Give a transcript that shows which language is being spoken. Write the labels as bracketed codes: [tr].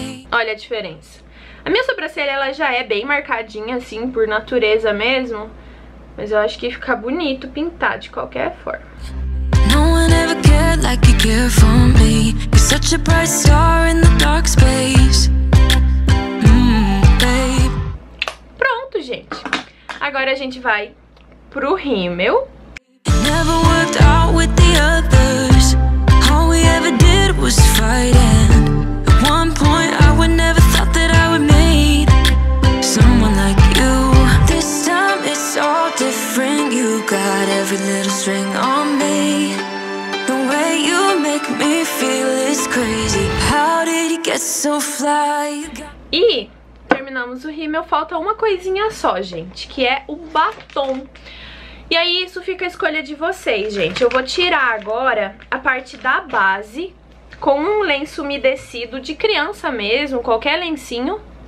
[pt] Olha a diferença. A minha sobrancelha, ela já é bem marcadinha, assim, por natureza mesmo. Mas eu acho que fica bonito pintar de qualquer forma. [en] No one ever cared like you care for me. You're such a bright star in the dark space. Babe. [pt] Pronto, gente. Agora a gente vai pro rímel. [en] Never worked out with the others. All we ever did was fight and one point I would never thought that I would meet someone like you. This time it's all different. You got every little string on me. The way you make me feel is crazy. How did you get so fly? [pt] E terminamos o rímel. Falta uma coisinha só, gente, que é o batom. E aí isso fica a escolha de vocês, gente. Eu vou tirar agora a parte da base com um lenço umedecido de criança mesmo, qualquer lencinho.